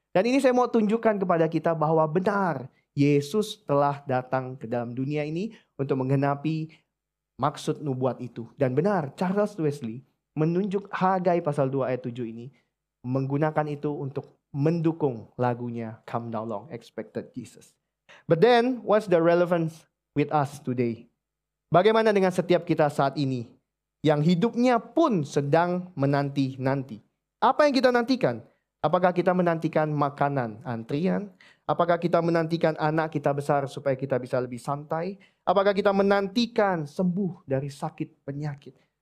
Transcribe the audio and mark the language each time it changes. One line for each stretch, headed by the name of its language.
Indonesian: Dan ini saya mau tunjukkan kepada kita bahwa benar Yesus telah datang ke dalam dunia ini untuk menggenapi maksud nubuat itu. Dan benar Charles Wesley menunjuk Hagai pasal 2 ayat 7 ini menggunakan itu untuk mendukung lagunya Come Thou Long Expected Jesus.
English: But then, what's the relevance with us today?
Indonesian: Bagaimana dengan setiap kita saat ini yang hidupnya pun sedang menanti-nanti? Apa yang kita nantikan? Apakah kita menantikan makanan antrian? Apakah kita menantikan anak kita besar supaya kita bisa lebih santai? Apakah kita menantikan sembuh dari sakit penyakit?